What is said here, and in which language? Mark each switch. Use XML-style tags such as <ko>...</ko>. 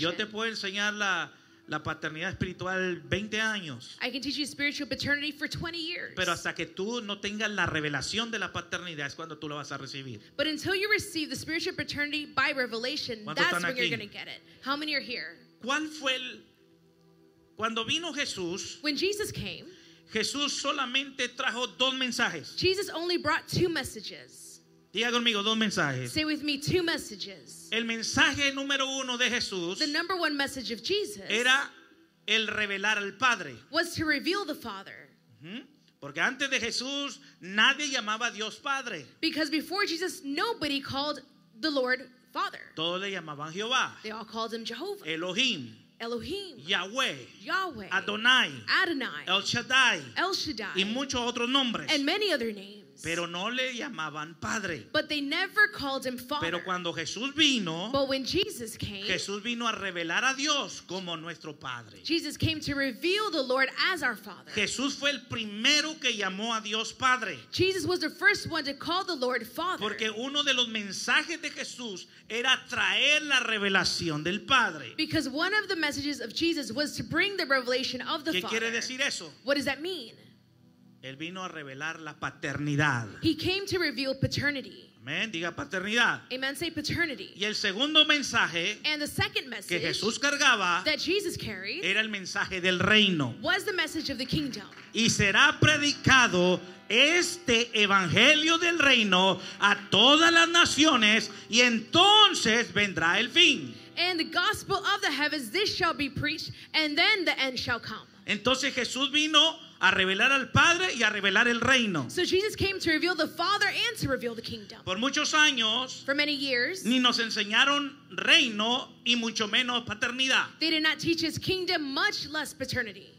<es>Yo te puedo enseñar la paternidad espiritual 20 años.</es> <en>I can teach you spiritual paternity for 20 years.</en> <es>Pero hasta que tú no tengas la revelación de la paternidad es cuando tú lo vas a recibir.</es> <en>But until you receive the spiritual paternity by revelation, that's when you're going to get it. How many are here?</en> <es>¿Cuál fue el cuando vino Jesús?</es> <en>When Jesus came,</en> <es>Jesús solamente trajo dos mensajes.</es> <en>Jesus only brought two messages.</en> <es>Diga conmigo dos mensajes.</es> <en>Say with me, two messages.</en> <es>El mensaje número uno de Jesús,</es> <en>the number one message of Jesus,</en> <es>era el revelar al Padre.</es> <en>Was to reveal the Father.</en> <es>Porque antes de Jesús nadie llamaba a Dios Padre.</es> <en>Because before Jesus nobody called the Lord Father.</en> <es>Todos le llamaban Jehová.</es> <en>They all called him Jehovah.</en> <es>Elohim. Elohim, Yahweh, Adonai, El Shaddai, y muchos otros nombres.</es> <en>And many other names.</en> <es>Pero no le llamaban Padre.</es> <en>But they never called him Father.</en> <es>Pero cuando Jesús vino,</es> <en>but when Jesus came,</en> <es>Jesús vino a revelar a Dios como nuestro Padre.</es> <en>Jesus came to reveal the Lord as our Father.</en> <es>Jesús fue el primero que llamó a Dios Padre.</es> <en>Jesus was the first one to call the Lord Father.</en> <es>Porque uno de los mensajes de Jesús era traer la revelación del Padre.</es> <en>Because one of the messages of Jesus was to bring the revelation of the</en> <es>¿Qué</es> <en>Father.</en> <es>¿Qué quiere decir eso?</es> <en>What does that mean?</en> <es>Él vino a revelar la paternidad.</es> <en>He came to reveal paternity.</en> <es>Amén, diga paternidad.</es> <en>Amen, say paternity.</en> <es>Y el segundo mensaje,</es> <en>and the second message,</en> <es>que Jesús cargaba,</es> <en>that Jesus carried,</en> <es>era el mensaje del reino.</es> <en>Was the message of the kingdom.</en> <es>Y será predicado este evangelio del reino a todas las naciones y entonces vendrá el fin.</es> <en>And the gospel of the heavens, this shall be preached and then the end shall come.</en> <es>Entonces Jesús vino a revelar al Padre y a revelar el reino.</es> <en>So Jesus came to reveal the Father and to reveal the kingdom.</en> <es>Por muchos años,</es> <en>for many years,</en> <es>ni nos enseñaron reino y mucho menos paternidad.</es> <en>They did not teach us kingdom, much less paternity.</en>